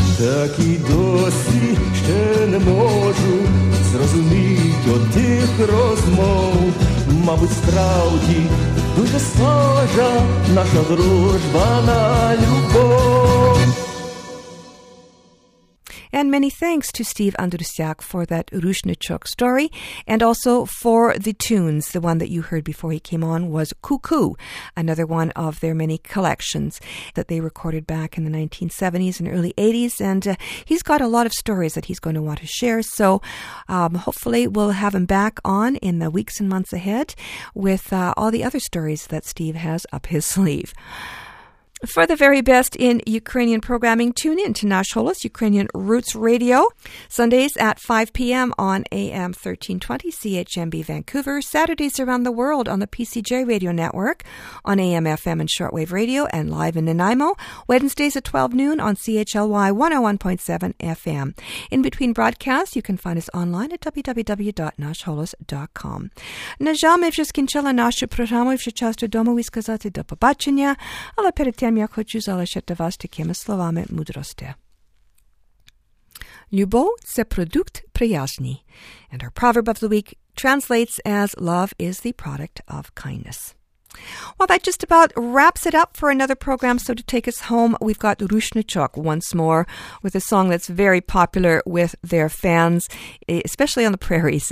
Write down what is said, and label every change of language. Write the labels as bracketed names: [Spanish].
[Ukrainian] Так і досі ще не можу зрозуміти отих розмов. Мабуть, справді дуже схожа наша дружба на любов. [English] And many thanks to Steve Andrusiak for that Rushnichuk story and also for the tunes. The one that you heard before he came on was Cuckoo, another one of their many collections that they recorded back in the 1970s and early 80s. And he's got a lot of stories that he's going to want to share. So hopefully we'll have him back on in the weeks and months ahead with all the other stories that Steve has up his sleeve. For the very best in Ukrainian programming, tune in to Nash Holos, Ukrainian Roots Radio, Sundays at 5 p.m. on AM 1320 CHMB Vancouver, Saturdays around the world on the PCJ Radio Network, on AM, FM, and shortwave radio, and live in Nanaimo, Wednesdays at 12 noon on CHLY 101.7 FM. In between broadcasts, you can find us online at www.nashholos.com. [Ukrainian] На жаль, ми вже скінчили нашу програму, і вже час додому і сказати до побачення, але перед тим я хочу залишити вас такими словами мудрості. Любов – це продукт приязні. [English] And our proverb of the week translates as love is the product of kindness. Well, that just about wraps it up for another program. So to take us home, we've got Rushnichuk once more with a song that's very popular with their fans, especially on the prairies.